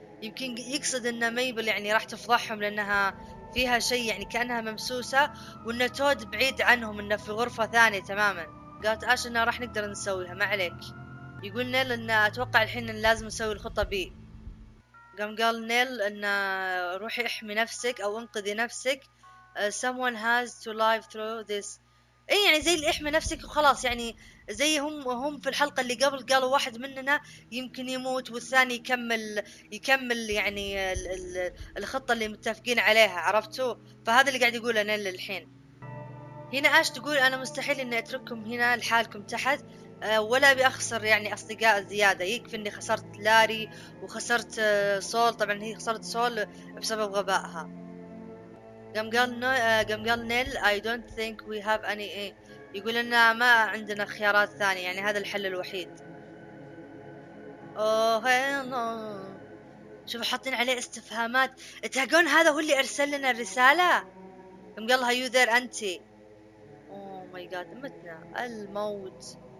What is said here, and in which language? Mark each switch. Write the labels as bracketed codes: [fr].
[ar] يمكن يقصد ان ميبل يعني راح تفضحهم لانها فيها شيء يعني كأنها ممسوسة، وإن تود بعيد عنهم إنه في غرفة ثانية تماما. قالت آش إنه راح نقدر نسويها، ما عليك. يقول نيل إنه أتوقع الحين إن لازم نسوي الخطة بي. قام قال نيل إنه روحي احمي نفسك أو انقذي نفسك. [en] someone has to live through this. [ar] إيه يعني زي اللي احمي نفسك وخلاص يعني، زي هم في الحلقة اللي قبل قالوا واحد مننا يمكن يموت والثاني يكمل يعني الخطة اللي متفقين عليها، عرفتوا؟ فهذا اللي قاعد يقوله نيل الحين. هنا آش تقول أنا مستحيل إني أترككم هنا لحالكم تحت، ولا أبي أخسر يعني أصدقاء زيادة، يكفي إني خسرت لاري وخسرت سول، طبعا هي خسرت سول بسبب غبائها. قام قال نيل [en] I don't think we have any [ar] إيه. يقول ان ما عندنا خيارات ثانية يعني، هذا الحل الوحيد. اوه شوفوا حاطين عليه استفهامات، تهجون هذا هو اللي ارسل لنا الرسالة. قام قال لها يو ذير انتي. [en] oh my god [ar] متنا الموت.